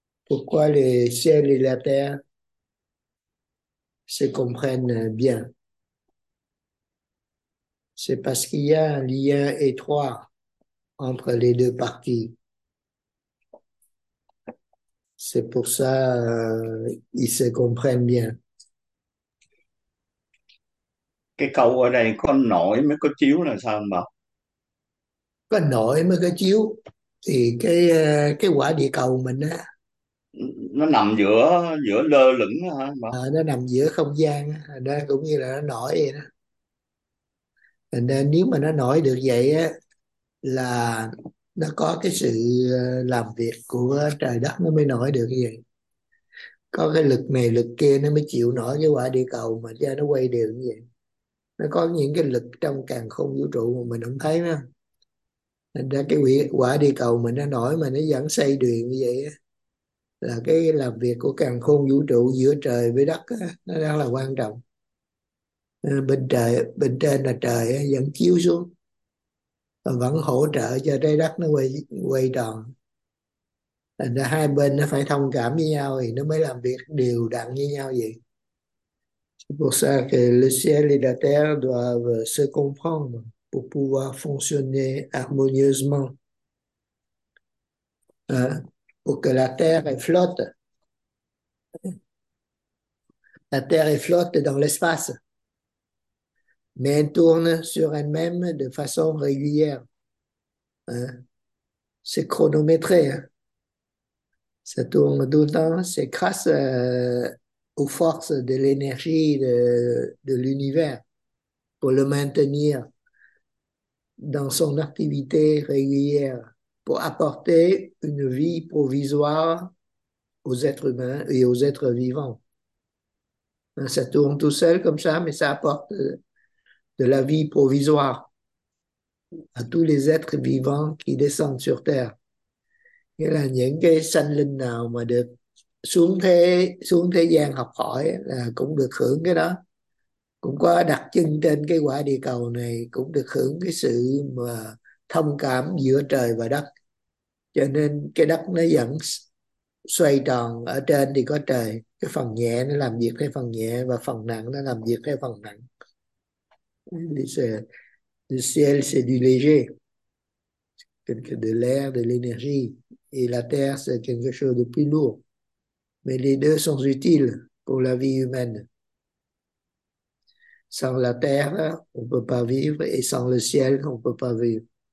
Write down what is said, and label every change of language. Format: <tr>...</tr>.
<fr>Pourquoi le ciel et la terre se comprennent bien? C'est parce qu'il y a un lien étroit entre les deux parties. C'est pour ça qu'ils se comprennent bien.</fr> <vi>Cái câu ở đây có nổi mới có chiếu là sao mà Có nổi mới có chiếu, thì cái quả địa cầu mình á, nó nằm giữa giữa lơ lửng hả mà nó nằm giữa không gian đó, cũng như là nó nổi vậy đó. Nên nếu mà nó nổi được vậy á là nó có cái sự làm việc của trời đất nó mới nổi được như vậy, có cái lực này lực kia nó mới chịu nổi cái quả địa cầu mà cho nó quay đều như vậy. Nó có những cái lực trong càn khôn vũ trụ mà mình không thấy nữa. Nên ra cái quả địa cầu mình nó nổi mà nó vẫn xoay đuyền như vậy là cái làm việc của càn khôn vũ trụ giữa trời với đất nó đang là quan trọng. Bên trời bên trên là trời vẫn chiếu xuống và vẫn hỗ trợ cho trái đất nó quay quay tròn. Nên ra hai bên nó phải thông cảm với nhau thì nó mới làm việc đều đặn với nhau vậy.</vi> <fr>Pour ça que le ciel et la terre doivent se comprendre pour pouvoir fonctionner harmonieusement. Pour que la Terre flotte. La Terre flotte dans l'espace, mais elle tourne sur elle-même de façon régulière. C'est chronométré. Ça tourne tout le temps, c'est grâce aux forces de l'énergie de l'univers pour le maintenir dans son activité régulière, pour apporter une vie provisoire aux êtres humains et aux êtres vivants. Ça tourne tout seul comme ça, mais ça apporte de la vie provisoire à tous les êtres vivants qui descendent sur Terre.</fr> <vi>Nghĩa là những cái sanh linh nào mà được xuống thế gian học hỏi là cũng được hưởng cái đó. Cũng có đặt chân trên cái quả địa cầu này cũng được hưởng cái sự mà thông cảm giữa trời và đất, cho nên cái đất nó vẫn xoay tròn. Ở trên thì có trời, cái phần nhẹ nó làm việc theo phần nhẹ và phần nặng nó làm việc theo phần nặng.</vi> <fr>Le ciel c'est du léger. quelque de l'air, de l'énergie, et la terre, c'est quelque chose de plus lourd. Mais les deux sont utiles pour la vie humaine. Sans la terre, on ne peut pas vivre, et sans le ciel, on ne peut pas vivre.</fr>